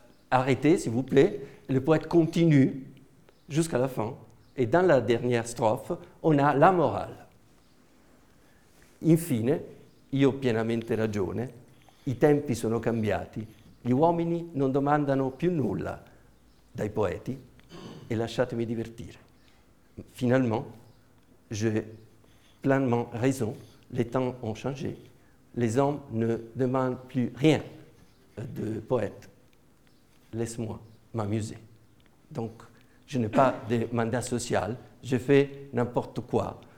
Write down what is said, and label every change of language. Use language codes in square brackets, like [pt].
[fr] Arrêtez, s'il vous plaît. » Le poète continue jusqu'à la fin et dans la dernière strophe, on a la morale. [it] Infine, io pienamente ragione, i tempi sono cambiati, gli uomini non domandano più nulla dai poeti e lasciatemi divertire. [fr] Finalement, j'ai pleinement raison, les temps ont changé, les hommes ne demandent plus rien de poète. Laisse-moi m'amuser. Donc, je n'ai pas de mandat social, je fais n'importe quoi.